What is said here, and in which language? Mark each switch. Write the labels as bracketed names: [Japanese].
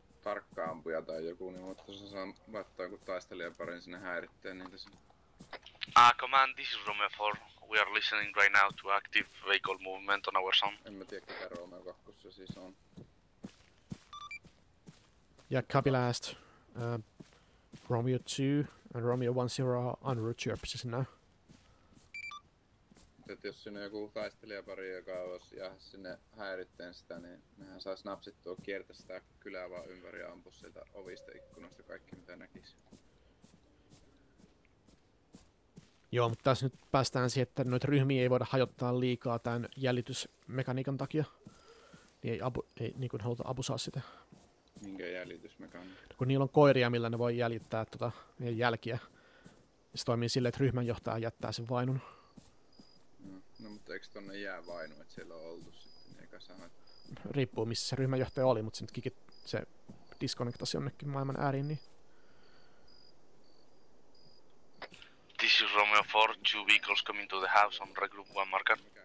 [Finnish] tarkkaampuja tai joku, niin mutta se saa laittaa joku taistelijan parin sinne häiritteen niitä sinne. [English] Command, this is Romeo 4. We are listening right now to active vehicle movement on our sound. [Finnish] En mä tiedä, mikä Romeo 2 se siis on. [English] Yeah, copy last. Romeo 2 and Romeo 10 are on route to your position now. [Finnish] Et jos sinne joku taistelijapari, joka olisi jää sinne häiritteen sitä, niin nehän sais napsittua kiertä sitä kylää vaan ympäri ja ampu sieltä ovista ikkunasta kaikki mitä näkisi. Joo, mutta tässä nyt päästään siihen, että noita ryhmiä ei voida hajottaa liikaa tämän jäljitysmekaniikan takia. Niin ei, ei niin kuin haluta abusaa sitä. Minkä jäljitysmekaniikka? Kun niillä on koiria, millä ne voi jäljittää tuota jälkiä. Se toimii silleen, että ryhmänjohtaja jättää sen vainun. No, mutta eikö tonne jää vainu, että siellä on oltu sitten eikä sana? Riippuu missä se ryhmänjohtaja oli, mutta se nyt kikit se disconnectasi jonnekin maailman ääriin, niin... [English] This is Romeo 4, two vehicles coming to the house on regroup 1 marker.